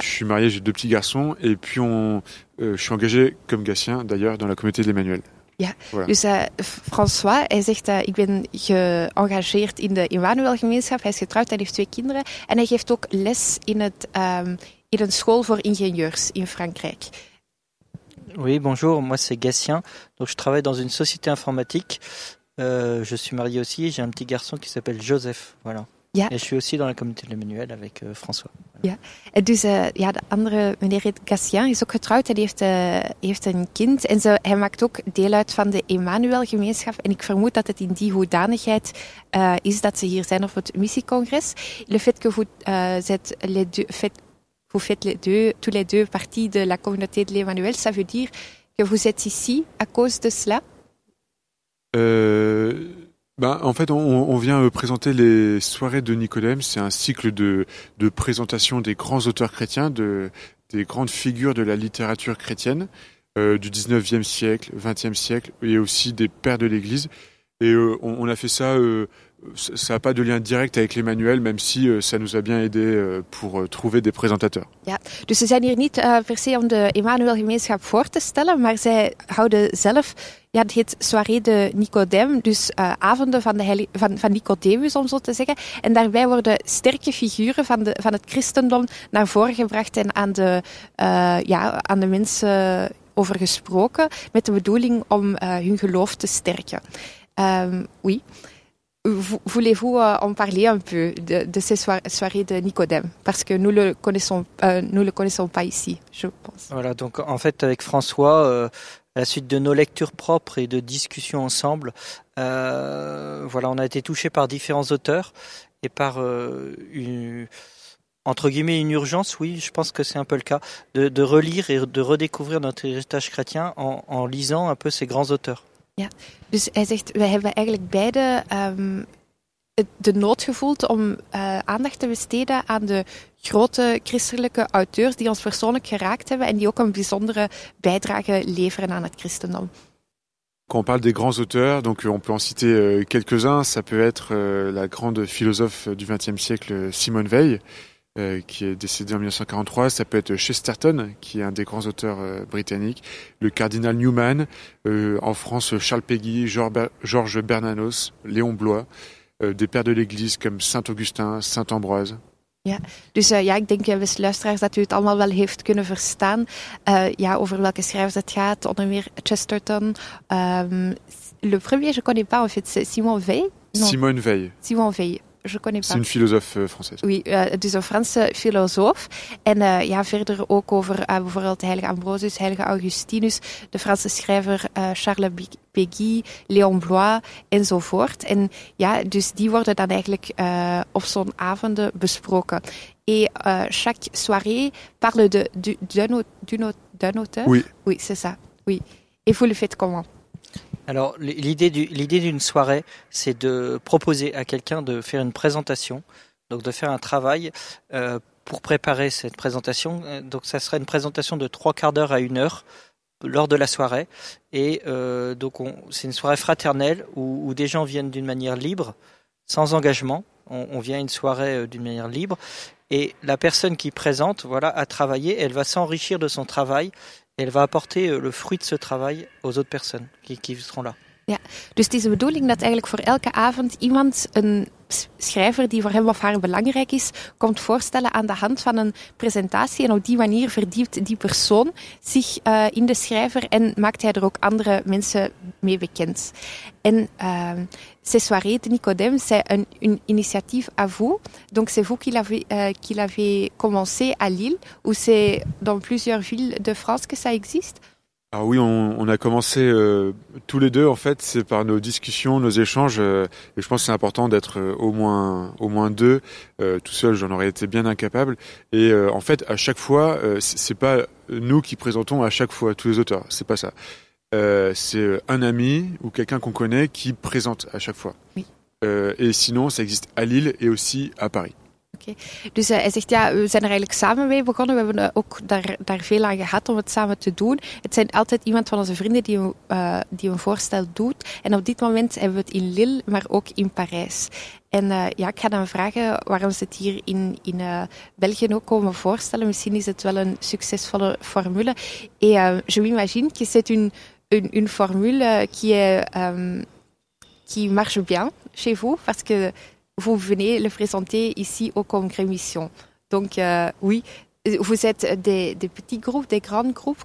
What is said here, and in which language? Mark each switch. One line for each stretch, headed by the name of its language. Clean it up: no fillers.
French: Je suis marié, j'ai deux petits garçons et puis je suis engagé comme gatien d'ailleurs dans la communauté de l'Emmanuel.
Dutch: Ja, voilà. Dus François, hij zegt dat ik ben geëngageerd in de Emmanuel-gemeenschap. Hij is getrouwd en heeft twee kinderen. En hij geeft ook les in, in een school voor ingenieurs in Frankrijk.
French: Oui, bonjour, moi c'est Gatien. Donc je travaille dans une société informatique. Je suis marié aussi, j'ai un petit garçon qui s'appelle Joseph. Voilà.
Dutch: Ja. En ik ben ook in de communauté de l'Emmanuel met François. Ja, en dus de andere meneer Gatien is ook getrouwd en heeft een kind. En hij maakt ook deel uit van de Emmanuel-gemeenschap. En ik vermoed dat het in die hoedanigheid is dat ze hier zijn op het missiecongres.
French: Le fait que vous faites tous les deux partie de la communauté de l'Emmanuel, ça veut dire que vous êtes ici à cause de cela? En fait, on vient présenter les soirées de Nicodème. C'est un cycle de présentation des grands auteurs chrétiens, des grandes figures de la littérature chrétienne du 19e siècle, 20e siècle, et aussi des pères de l'Église. Et on a fait ça, ça n'a pas de lien direct avec l'Emmanuel, même si ça nous a bien aidé pour trouver des présentateurs.
Dutch: Ja, dus ze zijn hier niet per se om de Emmanuel-gemeenschap voor te stellen, maar zij houden zelf, ja, het heet Soirée de Nicodème, dus avonden van de van Nicodemus, om zo te zeggen. En daarbij worden sterke figuren van het christendom naar voren gebracht en aan de, aan de mensen over gesproken, met de bedoeling om hun geloof te sterken.
French: Oui. Voulez-vous en parler un peu de ces soirées de Nicodème? Parce que nous le connaissons pas ici, je pense. Voilà, donc en fait, avec François, à la suite de nos lectures propres et de discussions ensemble, on a été touchés par différents auteurs et par une urgence, oui, je pense que c'est un peu le cas, de relire et de redécouvrir notre héritage chrétien en lisant un peu ces grands auteurs. Ja, dus hij zegt, wij hebben eigenlijk beide de nood gevoeld om aandacht te besteden aan de grote christelijke auteurs die ons persoonlijk geraakt hebben en die ook een bijzondere bijdrage leveren aan het christendom. Quand on parle des grands auteurs, donc on peut en citer quelques-uns. Ça peut être la grande philosophe du XXe siècle, Simone Veil, qui est décédée en 1943. Ça peut être Chesterton, qui est un des grands auteurs britanniques, le cardinal Newman, en France Charles Péguy, Georges Bernanos, Léon Blois, des pères de l'Église comme Saint Augustin, Saint Ambroise.
Dutch: Ja, dus ik denk, beste luisteraars, dat u het allemaal wel heeft kunnen verstaan. Over welke schrijvers het gaat, onder meer Chesterton.
French: Le premier, je connais pas, en fait, c'est Simone Veil. Simone Veil. Simone Veil. Je connais pas. C'est une philosophe française.
Dutch: Oui, dus een Franse filosoof. En verder ook over bijvoorbeeld heilige Ambrosius, heilige Augustinus, de Franse schrijver Charles Péguy, Léon Blois enzovoort. En ja, dus die worden dan eigenlijk op zo'n avonden besproken.
French: Et chaque soirée parle d'un auteur. Oui. Oui, c'est ça. Oui. Et vous le faites comment? Alors, l'idée d'une soirée, c'est de proposer à quelqu'un de faire une présentation, donc de faire un travail pour préparer cette présentation. Donc, ça sera une présentation de 3/4 d'heure à 1 heure lors de la soirée. Et c'est une soirée fraternelle où des gens viennent d'une manière libre, sans engagement. On vient à une soirée d'une manière libre. Et la personne qui présente, voilà, a travaillé, elle va s'enrichir de son travail. Elle va apporter le fruit de ce travail aux autres personnes qui seront là.
Dutch: Ja, dus het is de bedoeling dat eigenlijk voor elke avond iemand, een schrijver die voor hem of haar belangrijk is, komt voorstellen aan de hand van een presentatie. En op die manier verdiept die persoon zich in de schrijver en maakt hij er ook andere mensen mee bekend.
French: En ces soirées de Nicodème, c'est une initiative à vous. Donc c'est vous qui l'avez commencé à Lille, ou c'est dans plusieurs villes de France que ça existe? Alors oui, on a commencé tous les deux, en fait, c'est par nos discussions, nos échanges, et je pense que c'est important d'être au moins deux. Tout seul, j'en aurais été bien incapable. Et en fait, à chaque fois, c'est pas nous qui présentons à chaque fois tous les auteurs, c'est pas ça. C'est un ami ou quelqu'un qu'on connaît qui présente à chaque fois. Oui. Et sinon, ça existe à Lille et aussi à Paris.
English: Okay.
Dutch: Dus hij zegt, ja, we zijn er eigenlijk samen mee begonnen. We hebben ook daar veel aan gehad om het samen te doen. Het zijn altijd iemand van onze vrienden die een voorstel doet. En op dit moment hebben we het in Lille, maar ook in Parijs. En ik ga dan vragen waarom ze het hier in België ook komen voorstellen. Misschien is het wel een succesvolle formule.
French: Et je m'imagine que c'est une formule qui marche bien chez vous, parce que vous venez le présenter ici au Congrès Mission. Donc, oui, vous êtes des petits groupes, des grands groupes.